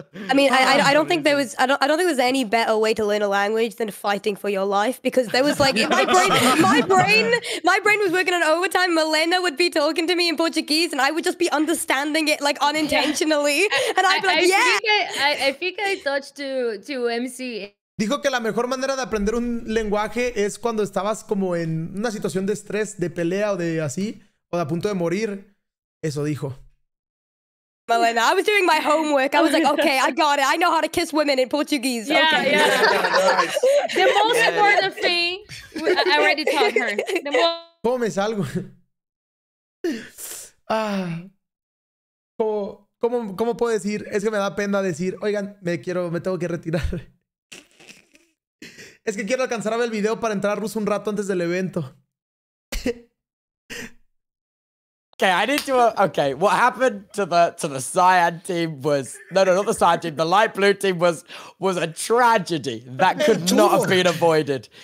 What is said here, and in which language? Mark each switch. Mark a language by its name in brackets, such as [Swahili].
[English] I mean, I don't think there was I don't think there's any better way to learn a language than fighting for your life because there was like my brain was working on overtime. Milena would be talking to me in Portuguese and I would just be understanding it like unintentionally and I'd be like I think I touched to MC. [Spanish] Dijo que la mejor manera de aprender un lenguaje es cuando estabas como en una situación de estrés, de pelea o de así o de a punto de morir. Eso dijo. [English] Milena, I was doing my homework. I was like, okay, I got it. I know how to kiss women in Portuguese. Yeah, okay. Yeah. The most important thing, I already taught her. [Spanish] ¿Cómo me salgo? ¿Cómo puedo decir? Es que me da pena decir, oigan, me tengo que retirar. Es que quiero alcanzar a ver el video para entrar a ruso un rato antes del evento. [English] Okay, I need to. Okay, what happened to the cyan team was not the cyan team. The light blue team was a tragedy that could not have been avoided.